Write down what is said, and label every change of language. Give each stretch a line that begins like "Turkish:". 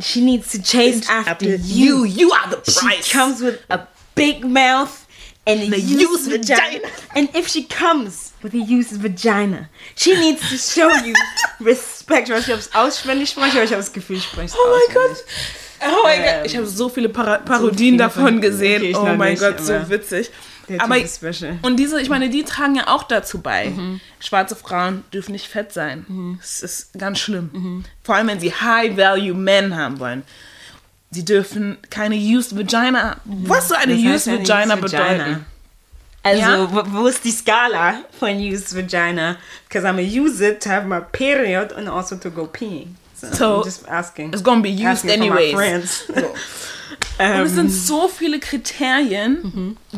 English: She needs to chase after you. You are the price. She comes with a big mouth and a used vagina. And if she comes with a used vagina, she needs to show you respect.
German: Ich habe es auswendig gemacht. Ich habe das Gefühl, ich spreche es auswendig. Oh mein Gott. Ich habe so viele Parodien davon gesehen. Okay, oh mein Gott, so witzig. Aber ist special. Und diese, ich meine, die tragen ja auch dazu bei. Mhm. Schwarze Frauen dürfen nicht fett sein. Mhm. Das ist ganz schlimm. Mhm. Vor allem, wenn sie High-Value-Men haben wollen. Sie dürfen keine Used Vagina. Mhm. Was soll eine Used Vagina bedeuten? Also, ja? Wo ist die Skala von Used Vagina?
English: Because I'm going to use it to have my period and also to go peeing. So, I'm just asking. It's going to be used anyways. For my friends.
German: Und es sind so viele Kriterien, mhm.